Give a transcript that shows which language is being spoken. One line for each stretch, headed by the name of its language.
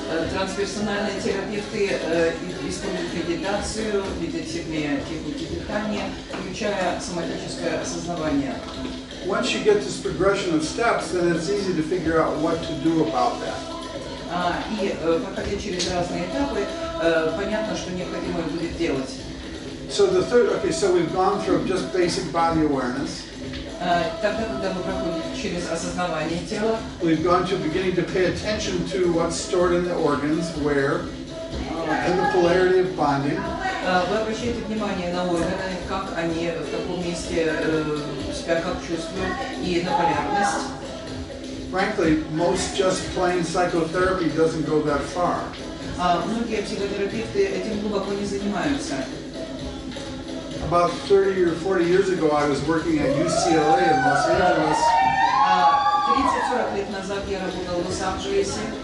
Russian: Трансперсональные терапевты используют медитацию, медитативные техники дыхания, включая соматическое осознавание.
English: Once you get this progression of steps, then it's easy to figure out what to do about that.
Russian: И проходя через разные этапы, понятно, что необходимо будет делать.
English: So the third, okay, so we've gone through just basic body awareness.
Russian: Тогда, когда мы проходим через осознавание тела,
English: we've gone to beginning to pay attention to what's stored in the organs, where, and the polarity of bonding.
Russian: Вы обращаете внимание на органы, как они в таком месте себя как чувствуют и на полярность.
English: Frankly, most just plain psychotherapy doesn't go that far.
Russian: Многие психотерапевты этим глубоко не занимаются.
English: About 30 or 40 years ago, I was working at UCLA in Los Angeles.
Russian: 30-40 лет назад я работал в Лос-Анджелесе.